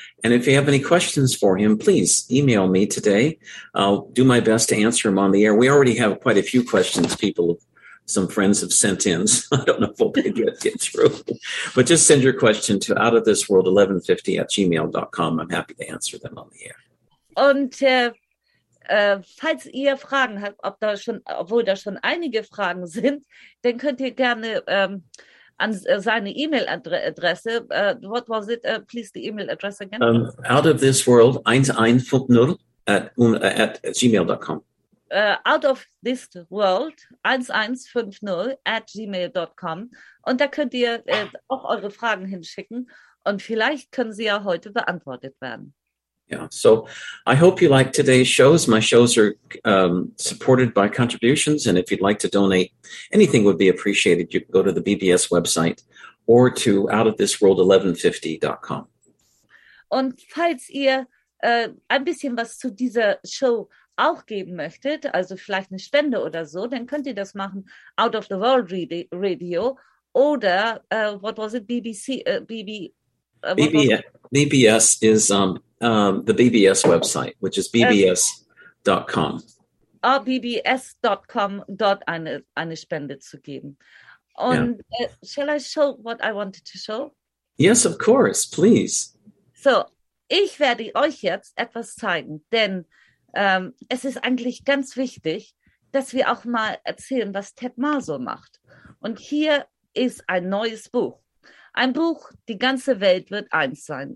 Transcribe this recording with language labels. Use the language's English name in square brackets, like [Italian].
[English] And if you have any questions for him, please email me today. I'll do my best to answer them on the air. We already have quite a few questions some friends have sent in. So I don't know if we'll be able to get through. But just send your question to outofthisworld1150@gmail.com. I'm happy to answer them on the air. [German] Und falls ihr Fragen habt, obwohl da schon einige Fragen sind, dann könnt ihr gerne an seine E-Mail-Adresse. [English] What was it? Please, the E-Mail address again. Out of this world, 1150@gmail.com. Out of this world, 1150@gmail.com. [German] Und da könnt ihr auch eure Fragen hinschicken. Und vielleicht können sie ja heute beantwortet werden. [English] Yeah, so I hope you like today's shows. My shows are supported by contributions. And if you'd like to donate, anything would be appreciated. You can go to the BBS website or to outofthisworld1150.com. [German] Und falls ihr ein bisschen was zu dieser Show auch geben möchtet, also vielleicht eine Spende oder so, dann könnt ihr das machen, Out of the World Radio oder, [English] what was it, [German] BBC, [English] BBS is the BBS website, which is bbs.com. [German] bbs.com, dort eine Spende zu geben. [English] Und shall I show what I wanted to show? Yes, of course, please. [German] So, ich werde euch jetzt etwas zeigen, denn es ist eigentlich ganz wichtig, dass wir auch mal erzählen, was Ted Marzo macht. Und hier ist ein neues Buch. Ein Buch, die ganze Welt wird eins sein.